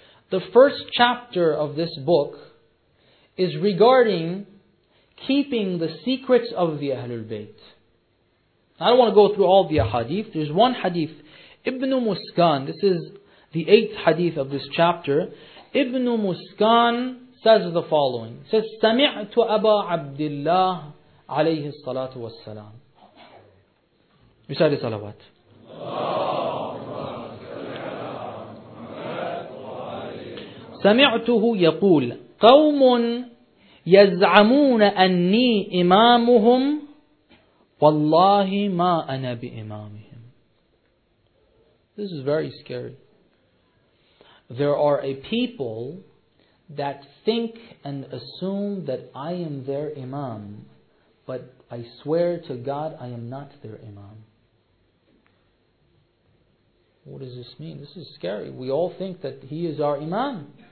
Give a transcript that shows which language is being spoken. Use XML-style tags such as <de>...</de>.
<en>The first chapter of this book is regarding keeping the secrets of the Ahlul Bayt. I don't want to go through all the hadith. There's one hadith, Ibn Muskan, this is the eighth hadith of this chapter. Ibn Muskan says the following. He says,</en> <ar>سَمِعْتُ أَبَا عَبْدِ اللَّهِ عَلَيْهِ الصَّلَاةُ وَالسَّلَامُ.</ar> <en>Recite the salawat.</en> <ar>سمعته يقول قوم يزعمون أني إمامهم والله ما أنا بإمامهم.</ar> <en>This is very scary. There are a people that think and assume that I am their imam, but I swear to God I am not their imam. What does this mean? This is scary. We all think that he is our imam.</en>